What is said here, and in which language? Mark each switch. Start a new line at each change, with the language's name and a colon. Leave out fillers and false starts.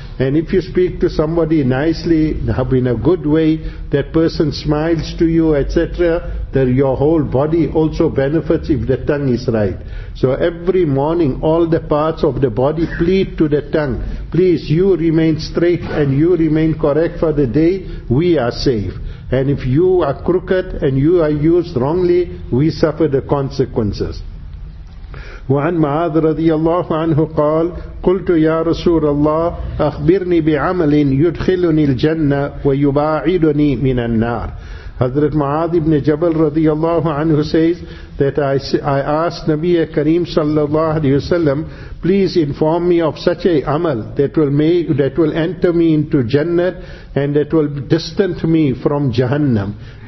English: And if you speak to somebody nicely, in a good way, that person smiles to you, etc., then your whole body also benefits if the tongue is right. So every morning, all the parts of the body plead to the tongue, please, you remain straight and you remain correct for the day, we are safe. And if you are crooked and you are used wrongly, we suffer the consequences.
Arabic: وعن معاذ رضي الله عنه قال قلت يا رسول الله أخبرني بعمل يدخلني الجنة ويباعدني من النار.
English: Hazrat Mu'adh ibn Jabal radiyallahu anhu says that I asked Nabi Kareem sallallahu alayhi wa sallam, please inform me of such a amal that will enter me into Jannah and that will distance me from Jahannam.